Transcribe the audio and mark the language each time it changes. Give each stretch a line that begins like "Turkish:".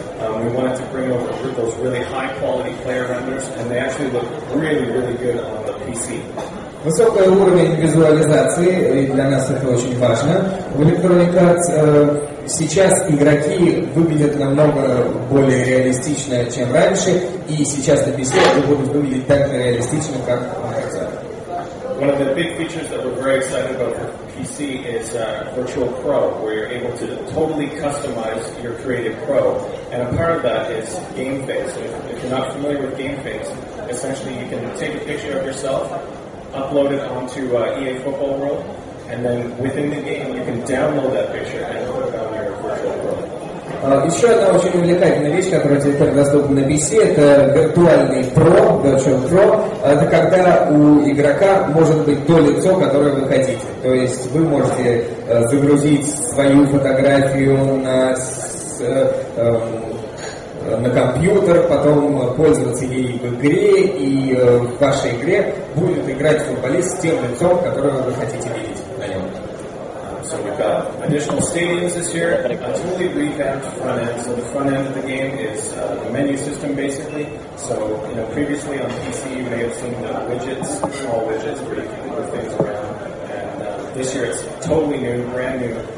English: We wanted to bring over those really high-quality player renders, and they actually look really, really good on the PC.
Russian: Высокий уровень визуализации, и для нас это очень важно. В Electronic Arts сейчас игроки выглядят намного более реалистично, чем раньше, и сейчас на PC они будут выглядеть так же реалистично, как на консоли.
English: One of the big features that we're very excited about for PC is Virtual Pro, where you're able to totally customize your creative pro. And a part of that is Game Face. If you're not familiar with Game Face, essentially you can take a picture of yourself, upload it onto EA Football World, and then within the game you can download that picture and put it on your Virtual Pro.
Russian: Еще одна очень увлекательная вещь, которая теперь доступна на PC, это виртуальный Pro, Virtual Pro. Это когда у игрока может быть то лицо, которое вы хотите. То есть вы можете загрузить свою фотографию на компьютер, потом пользоваться ей в игре, и в вашей игре будет играть футболист с тем лицом, которое вы хотите видеть на нем.
English: So we've got additional stadiums this year, a totally revamped front end. So the front end of the game is the menu system, basically. So, you know, previously on PC you may have seen widgets, small widgets where you can move things around. And this year it's totally new, brand new,